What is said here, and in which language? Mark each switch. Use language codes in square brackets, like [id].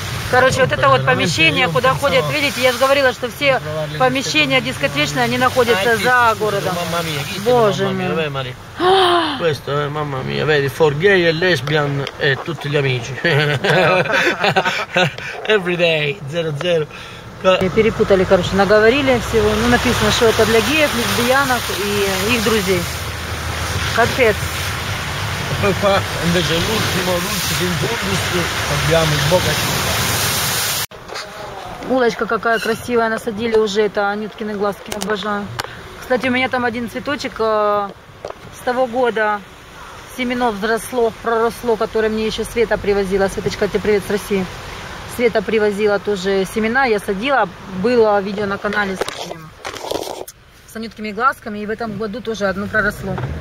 [ru] Короче, вот это вот помещение, куда ходят, видите, я же говорила, что все помещения дискотечные, они находятся за городом. Боже мой. [it] Questo, mamma mia, vedi, [en] for gay and lesbian [it] e tutti gli amici. [en] Every day, 00. [ru] Перепутали, короче, наговорили всего. Ну, написано, что это для геев, лесбиянок и их друзей. Капец. [it] Invece l'ultimo abbiamo il Boca Chica. [ru] Улочка какая красивая, насадили уже это анюткины глазки, обожаю. Кстати, у меня там один цветочек с того года семенов взросло, проросло, которое мне еще Света привозила. Светочка, тебе привет с России. Света привозила тоже семена, я садила, было видео на канале с анюткими глазками, и в этом году тоже одно проросло.